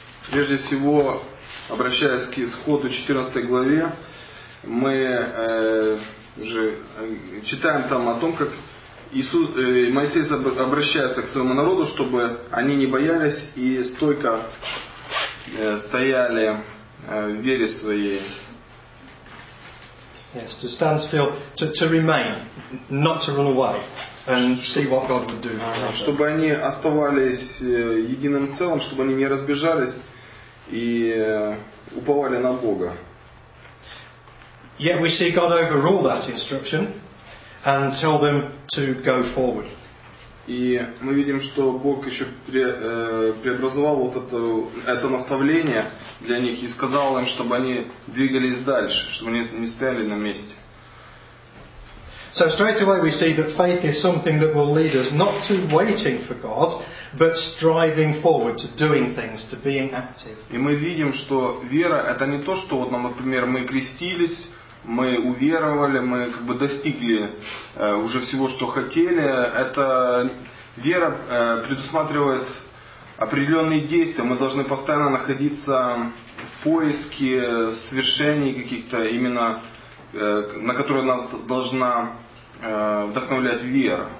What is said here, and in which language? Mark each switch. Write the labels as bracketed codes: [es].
[ru] Прежде всего, обращаясь к Исходу 14 главе, мы уже читаем там о том, как Иисус, Моисей обращается к своему народу, чтобы они не боялись и стойко стояли в вере своей. [en] Yes, to stand still, to remain, not to run away, and see what God would do. [ru] Чтобы они оставались единым целым, чтобы они не разбежались и уповали на Бога. [en] Yet we see God overrule that instruction and tell them to go forward. [ru] И мы видим, что Бог еще преобразовал вот это наставление для них и сказал им, чтобы они двигались дальше, чтобы они не стояли на месте. [en] So straight away we see that faith is something that will lead us not to waiting for God, but striving forward to doing things, to being active. [ru] И мы видим, что вера это не то, что вот, например, мы крестились, мы уверовали, мы как бы достигли уже всего, что хотели. Это вера предусматривает определенные действия. Мы должны постоянно находиться в поиске свершений каких-то, именно на которые нас должна вдохновлять вера.